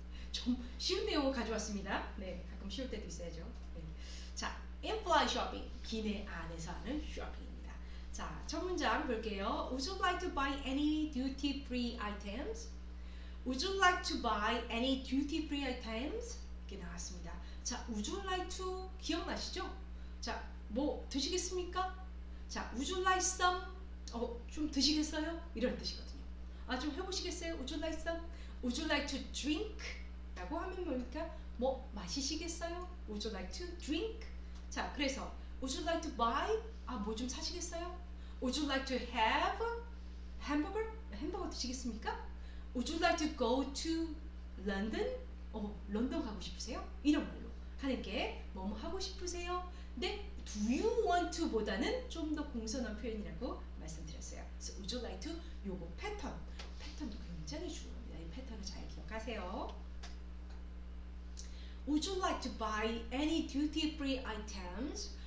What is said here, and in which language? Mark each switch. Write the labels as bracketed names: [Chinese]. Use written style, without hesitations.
[Korean] 좀 쉬운 내용을 가져왔습니다. 네, 가끔 쉬울 때도 있어야죠. 네. 자, in-fly shopping. 기내 안에서 하는 쇼핑입니다. 자, 첫 문장 볼게요. [English] Would you like to buy any duty-free items? Would you like to buy any duty-free items? [Korean] 이렇게 나왔습니다. 자, would you like to 기억나시죠? 자, 뭐 드시겠습니까? 자, would you like some? 좀 드시겠어요? 이런 뜻이거든요. 아, 좀 해보시겠어요? Would you like some? Would you like to drink? 라고 하면 뭡니까? 뭐 마시시겠어요? [English] Would you like to drink? 자, 그래서 Would you like to buy? 아, 뭐 좀 사시겠어요? Would you like to have a hamburger? 햄버거 드시겠습니까? Would you like to go to London? 런던 가고 싶으세요? [Korean] 이런 말로 하는 게 뭐뭐 하고 싶으세요? 네, do you want to 보다는 좀 더 공손한 표현이라고 말씀드렸어요. [English] So would you like to 요거 패턴. [Korean] 패턴도 굉장히 중요합니다. 이 패턴을 잘 기억하세요. [English] Would you like to buy any duty-free items?